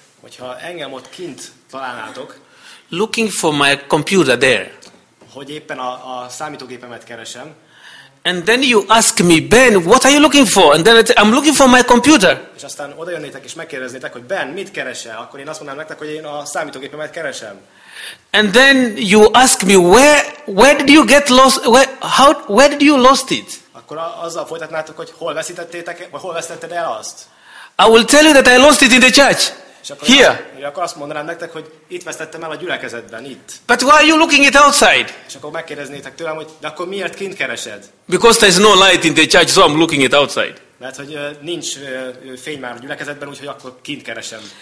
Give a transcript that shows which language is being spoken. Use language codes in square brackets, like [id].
[hu] Hogyha engem ott kint találnátok. [en] Looking for my computer there. [hu] Hogy éppen a számítógépemet keresem. [en] And then you ask me, Ben, what are you looking for? And then I'm looking for my computer. [hu] És aztán odajönnétek és megkérdeznétek, hogy Ben, mit keresel? Akkor én azt mondanám nektek, hogy én a számítógépemet keresem. [en] And then you ask me, where did you get lost? Where did you lost it? [hu] Akkor azzal folytatnátok, hogy hol veszítettétek, vagy hol vesztetted el azt? [en] I will tell you that I lost it in the church. Here. [hu] És akkor azt mondanám nektek, hogy itt vesztettem el a gyülekezetben, itt. [en] But why are you looking it outside? [hu] És akkor megkérdeznétek tőlem, hogy de akkor miért kint keresed? [en] Because there is no light in the church, so I'm looking it outside. [hu] Mert hogy nincs fény már a gyülekezetben, úgyhogy akkor kint keresem.